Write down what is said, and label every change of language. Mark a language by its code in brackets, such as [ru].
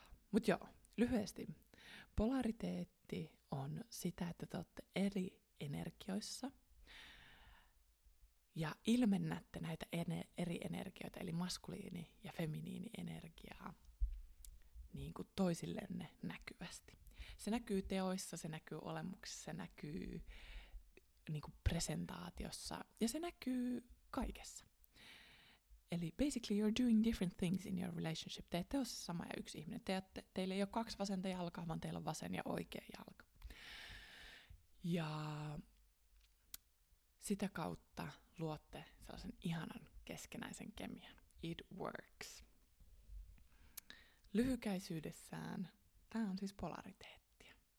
[fi] Mut joo, lyhyesti. Polariteetti on sitä, että te olette eri energioissa ja ilmennätte näitä eri energioita, eli maskuliini- ja feminiini-energiaa niin kuin toisillenne näkyvästi. Se näkyy teoissa, se näkyy olemuksessa, se näkyy niin kuin presentaatiossa ja se näkyy kaikessa. [en] Eli basically you're doing different things in your relationship. [fi] Te ette ole sama ja yksi ihminen. Teillä ei ole kaksi vasenta jalkaa, vaan teillä on vasen ja oikea jalka. Ja sitä kautta luotte sellaisen ihanan keskenäisen kemian. [en] It works. [fi] Lyhykäisyydessään tämä on siis polariteettia.